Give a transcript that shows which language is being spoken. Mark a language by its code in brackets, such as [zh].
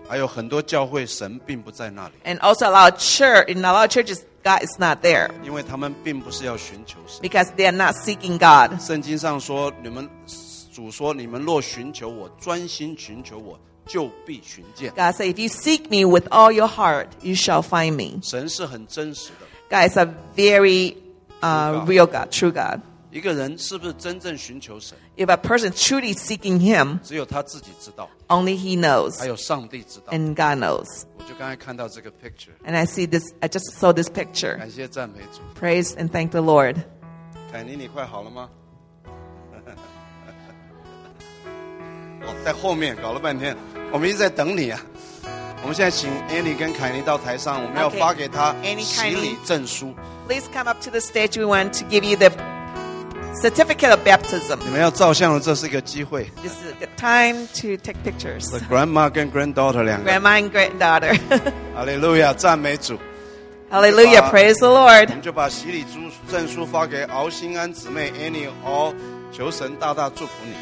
[zh] 还有很多教会神并不在那里。 [en] And also a lot of church, in a lot of churches, God is not there. [zh] 因为他们并不是要寻求神。 [en] Because they are not seeking God. [zh] 圣经上说，你们主说，你们若寻求我，专心寻求我，就必寻见。 [en] God said, if you seek me with all your heart, you shall find me. [zh] 神是很真实的。 [en] God is a very real God, true God. [zh] 一个人是不是真正寻求神 [en] If a person truly seeking him, [zh] 只有他自己知道 [en] Only he knows. [zh] 还有上帝知道 [en] And God knows. [zh] 我就刚才看到这个 picture. [en] And I just saw this picture. [zh] 感谢赞美主 [en] Praise and thank the Lord. [zh] OK. 凯妮，你快好了吗？哦，在后面搞了半天，我们一直在等你啊。我们现在请 Annie 跟凯妮到台上，我们要发给她洗礼证书。 [en] Please come up to the stage. We want to give you the certificate of baptism. [zh] 你们要照相了，这是一个机会。 [en] This is the time to take pictures. The grandma and granddaughter [zh] 两个。 [en] Grandma and granddaughter. [zh] Hallelujah, 赞美主。 [en] Hallelujah, praise the Lord. [zh] 我们就把洗礼证书发给敖新安姊妹 Annie 敖。求神大大祝福你。